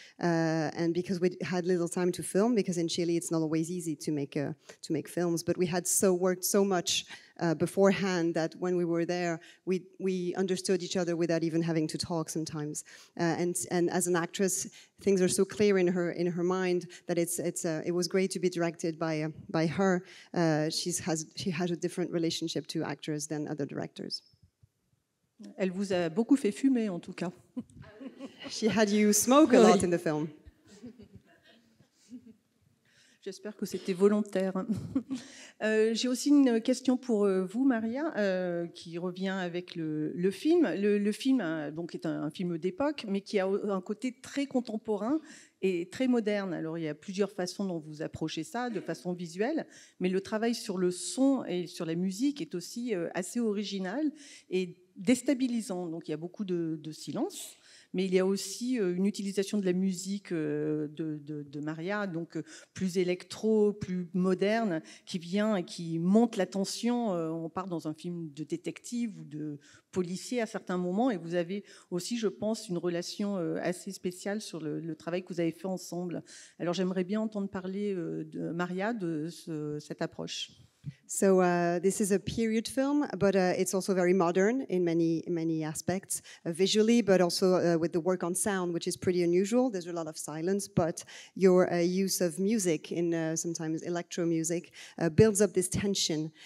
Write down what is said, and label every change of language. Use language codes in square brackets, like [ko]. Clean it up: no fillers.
[en] And because we had little time to film, because in Chile it's not always easy to make films, but we had worked so much beforehand that when we were there, we understood each other without even having to talk sometimes. And as an actress, things are so clear in her mind that it was great to be directed by her. She has a different relationship to actors than other directors. [fr] Elle vous a beaucoup fait fumer, en tout cas. [en] She had you smoke a lot in the film. [fr] J'espère que c'était volontaire. J'ai aussi une question pour vous, Maria, qui revient avec le film. Le film donc, est un film d'époque, mais qui a un côté très contemporain et très moderne. Alors, il y a plusieurs façons dont vous approchez ça, de façon visuelle, mais le travail sur le son et sur la musique est aussi assez original et déstabilisant. Donc, il y a beaucoup de silence. Mais il y a aussi une utilisation de la musique de Maria, donc plus électro, plus moderne, qui vient et qui monte la tension. On part dans un film de détective ou de policier à certains moments. Et vous avez aussi, je pense, une relation assez spéciale sur le travail que vous avez fait ensemble. Alors j'aimerais bien entendre parler de Maria, de cette approche. [en] So this is a period film, but it's also very modern in many aspects, visually, but also with the work on sound, which is pretty unusual. There's a lot of silence, but your use of music in sometimes electro music builds up this tension.